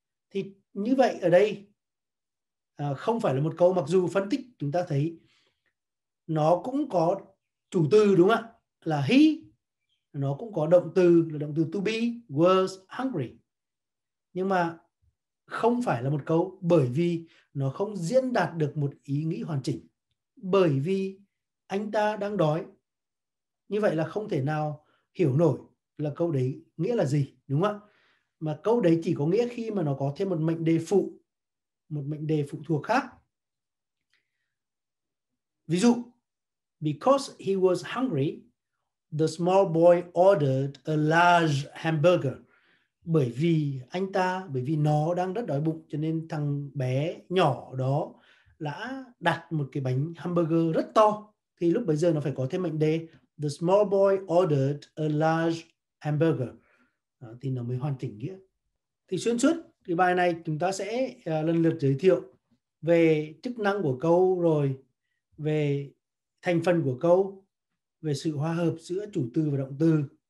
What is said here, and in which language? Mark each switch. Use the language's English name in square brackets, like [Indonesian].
[Vietnamese] Thì như vậy ở đây không phải là một câu, mặc dù phân tích chúng ta thấy nó cũng có chủ từ, đúng không ạ, là he, nó cũng có động từ là động từ to be, [English] was hungry, [Vietnamese] nhưng mà không phải là một câu bởi vì nó không diễn đạt được một ý nghĩ hoàn chỉnh. Bởi vì anh ta đang đói, như vậy là không thể nào hiểu nổi là câu đấy nghĩa là gì, đúng không ạ? Mà câu đấy chỉ có nghĩa khi mà nó có thêm một mệnh đề phụ, một mệnh đề phụ thuộc khác. Ví dụ, [English] because he was hungry, the small boy ordered a large hamburger. [Vietnamese] Bởi vì nó đang rất đói bụng cho nên thằng bé nhỏ đó đã đặt một cái bánh hamburger rất to. Thì lúc bấy giờ nó phải có thêm mệnh đề, [English] the small boy ordered a large hamburger. [Vietnamese] Đó, thì nó mới hoàn chỉnh nghĩa. Thì xuyên suốt cái bài này chúng ta sẽ lần lượt giới thiệu về chức năng của câu, rồi về thành phần của câu, về sự hòa hợp giữa chủ từ và động từ.